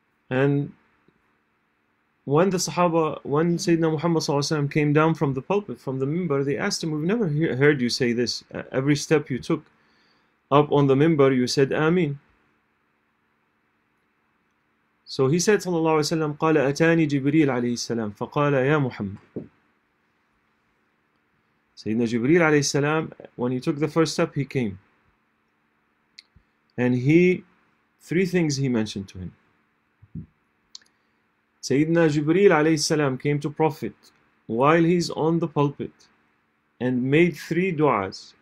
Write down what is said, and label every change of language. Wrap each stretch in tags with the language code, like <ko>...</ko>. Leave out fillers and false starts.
<en>And when the Sahaba, when Sayyidina Muhammad came down from the pulpit, from the minbar, they asked him, we've never heard you say this. Every step you took up on the minbar, you said, Ameen. So he said, Sallallahu Alaihi Wasallam,</en> <ar>قَالَ أَتَانِي جِبْرِيلَ عَلَيْهِ السَّلَامِ فَقَالَ يَا مُحَمَّدِ.</ar> <en>Sayyidina Jibreel alayhi salam, when he took the first step, he came. And he, three things he mentioned to him. Sayyidina Jibreel alayhi salam came to Prophet while he's on the pulpit and made three du'as.</en>